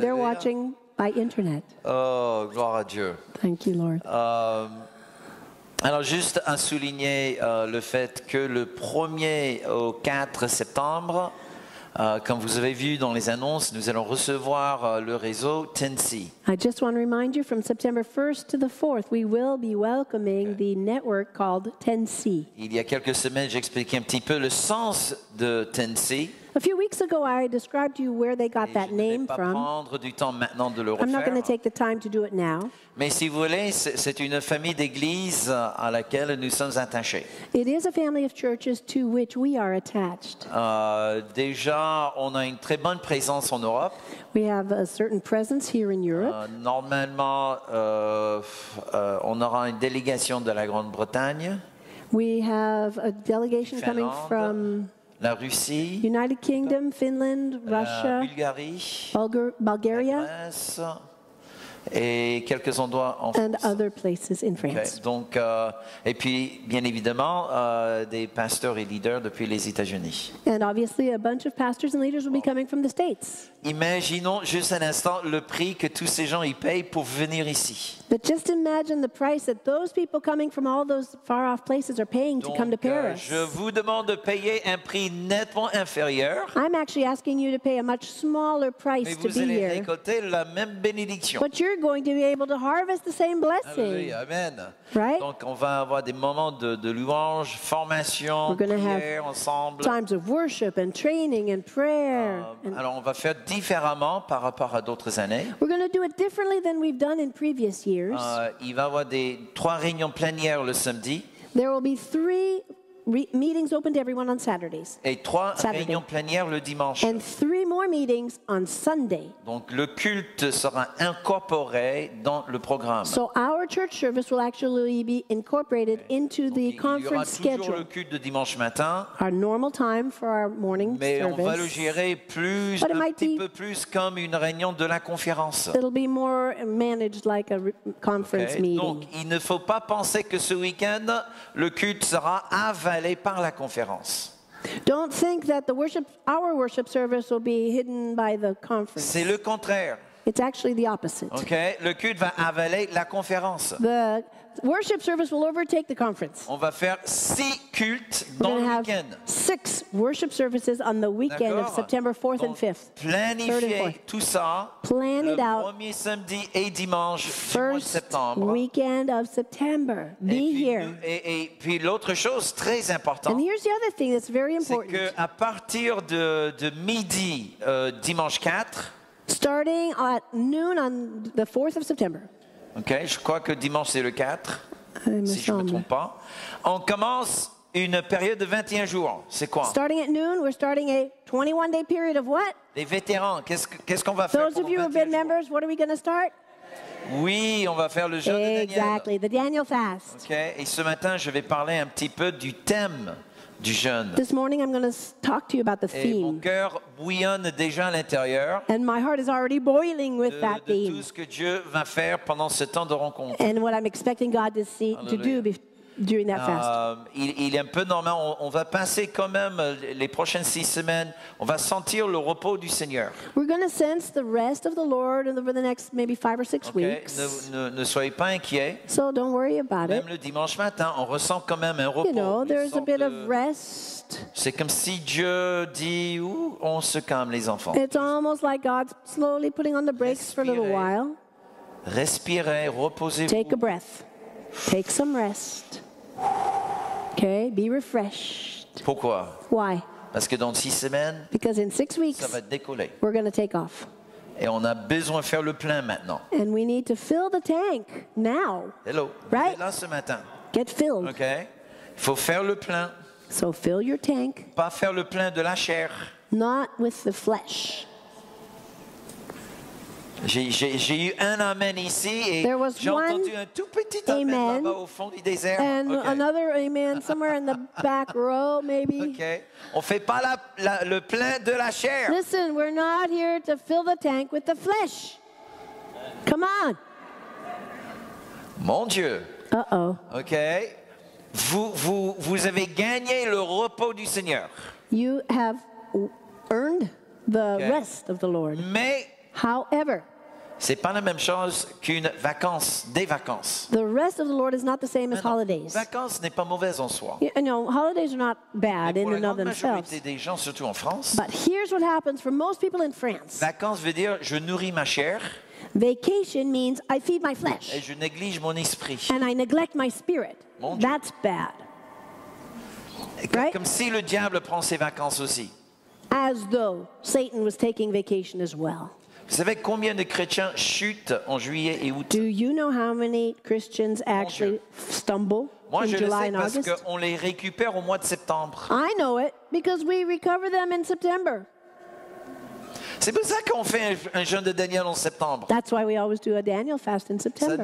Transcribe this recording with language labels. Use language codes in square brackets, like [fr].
[en] They're watching by internet. [fr] Oh, gloire à Dieu. [en] Thank you, Lord. [fr] Alors, juste à souligner le fait que le 1er au 4 septembre, comme vous avez vu dans les annonces, nous allons recevoir le réseau Tennessee. [en] I just want to remind you, from September 1st to the 4th, we will be welcoming the network called Tennessee. [fr] Il y a quelques semaines, j'expliquais un petit peu le sens de Tennessee. [en] A few weeks ago, I described to you where they got [fr] Et [en] that name from. [fr] Je ne vais pas prendre du temps maintenant de le refaire. [en] I'm not going to take the time to do it now. [fr] Mais si vous voulez, c'est une famille d'églises à laquelle nous sommes attachés. [en] It is a family of churches to which we are attached. [fr] Déjà, on a une très bonne présence en Europe. [en] We have a certain presence here in Europe. [fr] Normalement, on aura une délégation de la Grande-Bretagne. [en] We have a delegation coming from [fr] la Russie, [en] United Kingdom, Finland, Russia, [fr] Bulgarie, [en] Bulgaria, [fr] France, et quelques endroits en [en] and [fr] France. [en] Other places in France. Okay. [fr] Donc, et puis, bien évidemment, des pasteurs et leaders depuis les États-Unis. [en] And obviously, a bunch of pastors and leaders will be coming from the States. [fr] Imaginons juste un instant le prix que tous ces gens y payent pour venir ici. [en] But just imagine the price that those people coming from all those far-off places are paying [fr] Donc, [en] to come to Paris. [fr] Je vous demande de payer un prix nettement inférieur. [en] I'm actually asking you to pay a much smaller price to be here. [fr] Mais vous allez récolter la même bénédiction. [en] But you're going to be able to harvest the same blessing. [fr] Alléluia, amen. [en] Right? [fr] Donc on va avoir des moments de louange, formation, prière ensemble. [en] Times of worship and training and prayer. [fr] Alors on va faire différemment par rapport à d'autres années. [en] We're going to do it differently than we've done in previous years. [fr] Il va y avoir trois réunions plénières le samedi. [en] There will be three meetings open to everyone on Saturdays. [fr] Et trois réunions plénières le dimanche. [en] And three more meetings on Sunday. [fr] Donc le culte sera incorporé dans le programme. [en] So our church service will actually be incorporated into the conference schedule. [fr] Il y aura toujours le culte de dimanche matin. [en] Our normal time for our morning [fr] mais [en] service. [fr] Mais on va le gérer plus [en] But [fr] un petit peu plus comme une réunion de la conférence. [en] It'll be more managed like a conference okay. meeting. [fr] Donc il ne faut pas penser que ce week-end le culte sera avalé par la conférence. [en] Don't think that the worship, our worship service will be hidden by the conference. [fr] C'est le contraire. [en] It's actually the opposite. [fr] Okay, le culte va avaler la conférence. [en] The worship service will overtake the conference. [fr] On va faire six cultes dans le week-end. [en] Six worship services on the weekend of September 4th and 5th. [fr] Planifiez tout ça. [en] Plan it out. [fr] Premier samedi et dimanche du mois de septembre. [en] First weekend of September. Be here. [fr] Et puis l'autre chose très importante. [en] And here's the other thing that's very important. [fr] C'est que à partir de midi dimanche 4. [en] Starting at noon on the 4th of September. [fr] Okay, je crois que dimanche c'est le 4, si je ne me trompe pas. On commence une période de 21 jours. C'est quoi? [en] Starting at noon, we're starting a 21-day period of what? [fr] Les vétérans, qu'est-ce qu'on va faire? [en] Those of you who have been members, what are we going to start? [fr] Oui, on va faire le jeûne de Daniel. [en] Exactly, the Daniel fast. [fr] Okay, et ce matin, je vais parler un petit peu du thème. [en] This morning I'm going to talk to you about the theme. [fr] Et mon cœur bouillonne déjà à l'intérieur. [en] And my heart is already boiling with that theme. [fr] De tout ce que Dieu va faire pendant ce temps de rencontre. [en] And what I'm expecting God to see to do during that fast. [fr] Il est un peu normal. On va passer quand même les prochaines six semaines. On va sentir le repos du Seigneur. [en] We're going to sense the rest of the Lord over the next maybe five or six okay. weeks. [fr] Ne soyez pas inquiets. [en] So don't worry about [fr] même [en] it. [fr] Même le dimanche matin, on ressent quand même un repos. [en] You know, there's a bit of rest. [fr] C'est comme si Dieu dit où on se calme les enfants. [en] It's almost like God's slowly putting on the brakes For a little while. [fr] Respirez, reposez-vous. [en] Take a breath. Take some rest. Okay, be refreshed. [fr] Pourquoi? [en] Why? [fr] Parce que dans six semaines, [en] because in 6 weeks, [fr] ça va décoller. [en] We're going to take off. [fr] Et on a besoin de faire le plein maintenant. [en] And we need to fill the tank now. Hello. Right? [fr] Là ce matin. [en] Get filled. [fr] Okay. Il faut faire le plein. [en] So fill your tank. [fr] Pas faire le plein de la chair. [en] Not with the flesh. [fr] J'ai eu un amen ici et j'ai entendu un tout petit amen là-bas au fond du désert. [en] And okay. Another amen somewhere in the back row, maybe. Okay. [fr] On fait pas le plein de la chair. [en] Listen, we're not here to fill the tank with the flesh. Come on. [fr] Mon Dieu. Uh-oh. Okay. Vous avez gagné le repos du Seigneur. [en] You have earned the rest of the Lord. [fr] Mais [en] however, [fr] c'est pas la même chose qu'une vacance, des vacances. [en] The rest of the Lord is not the same as holidays. [fr] Vacances n'est pas mauvaise en soi. [en] No, holidays are not bad in and of themselves. [fr] Majorité des gens, surtout en France. [en] But here's what happens for most people in France. [fr] Vacances veut dire je nourris ma chair. [en] Vacation means I feed my flesh. [fr] Et je néglige mon esprit. [en] And I neglect my spirit. [fr] Mon Dieu. [en] That's bad. Right? [fr] Comme si le diable prend ses vacances aussi. [en] As though Satan was taking vacation as well. [fr] Vous savez combien de chrétiens chutent en juillet et août? [en] Do you know how many Christians actually stumble in July and August? [fr] Moi, je le sais parce qu'on les récupère au mois de septembre. [en] I know it because we recover them in September. [fr] C'est pour ça qu'on fait un jeûne de Daniel en septembre. [en] That's why we always do a Daniel fast in September.